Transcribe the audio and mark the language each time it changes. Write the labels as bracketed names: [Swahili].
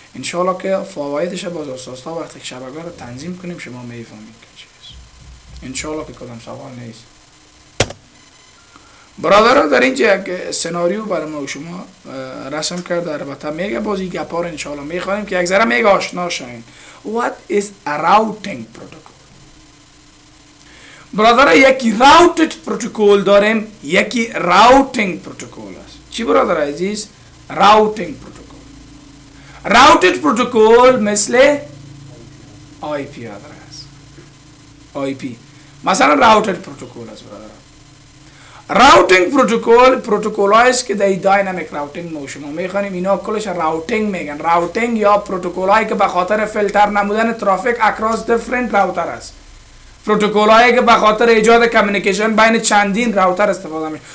[Persian] انشاءالله که فوایدش باز استاد وقتی شبکه رو تنظیم کنیم شما می فهمید که چیست. انشاءالله که کدام سوال نیست برادران. در اینجا یک سناریو برای ما و شما رسم کرده البته میگه بازی گپار انشاءالله میخوانیم که یک ذره میگه آشنا شاین. [English] What is a routing protocol؟ [Persian] برادران یکی routed protocol داریم یکی routing protocol است. چی برادر عزیز؟ routing protocol. Routed protocol مثل IP آدرس. IP. مثلا routed protocol است برادر. راوتینگ پروتکل پروتکلایز که دای داینامیک راوتینگ موشن ما میخوانیم اینا کلش راوتینگ میگن. راوتینگ یا پروتکلایی که به خاطر فیلتر نمودن ترافیک اکراس دیفرنت راوتر است. پروتکلایی که به خاطر ایجاد کمیونیکیشن بین چندین راوتر استفاده میشه.